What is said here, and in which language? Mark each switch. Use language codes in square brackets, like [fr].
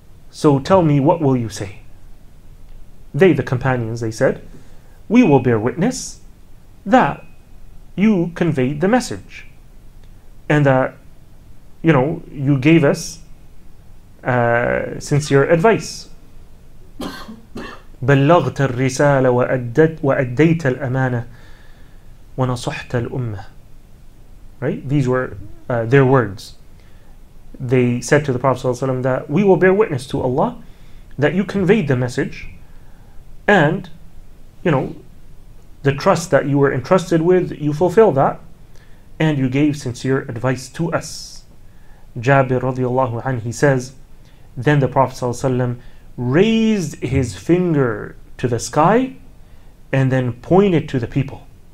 [en] So tell me, what will you say? They, the companions, they said, we will bear witness that you conveyed the message. And that, you know, you gave us sincere advice. [ar] بلغت الرسالة وأديت الأمانة ونصحت الأمة. [en] Right? These were their words. They said to the Prophet ﷺ that we will bear witness to Allah that you conveyed the message, and, you know, the trust that you were entrusted with, you fulfilled that. And you gave sincere advice to us. Jabir radiallahu anhu, he says, then the Prophet ﷺ raised his finger to the sky and then pointed to the people.